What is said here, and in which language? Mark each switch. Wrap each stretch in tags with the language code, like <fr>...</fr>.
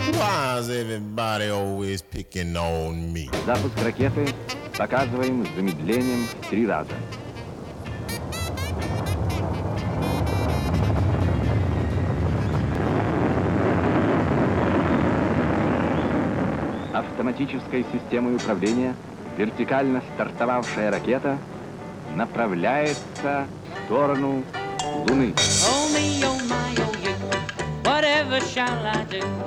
<en>Everybody always picking on me.</en> <ru>Запуск ракеты показываем с замедлением 3 раза. Автоматической системой управления вертикально стартовавшая ракета направляется в сторону Луны.</ru> <en>Oh me, oh my, oh you, whatever shall I do?</en>